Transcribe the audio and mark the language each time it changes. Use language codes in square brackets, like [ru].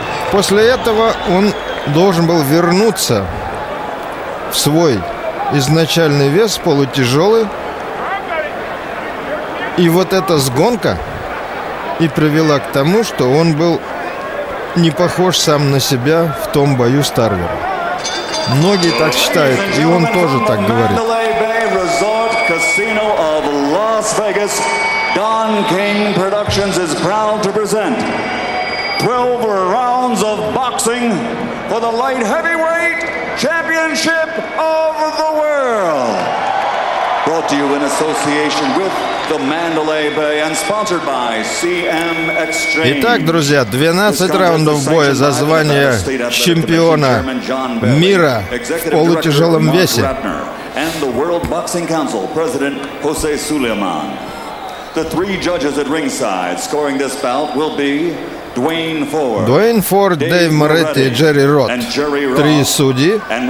[ru] После этого он должен был вернуться в свой изначальный вес, полутяжелый. И вот эта сгонка и привела к тому, что он был не похож сам на себя в том бою с Тарвером. Многие так считают, и он тоже так говорит. [en] Mandalay Bay Resort Casino of Las Vegas, Don King Productions is proud to present 12 rounds of boxing for the light heavyweight championship of the world. Brought to you in association with the Mandalay Bay and sponsored by CM Extreme. [ru] Итак, друзья, 12 раундов боя за звание чемпиона мира в полутяжелом весе. [en] And the World Boxing Council President Jose Suleiman. The three judges at ringside scoring this bout will be [ru] Дуэйн Форд, Дэйв Моретти и Джерри Рот. Три судьи.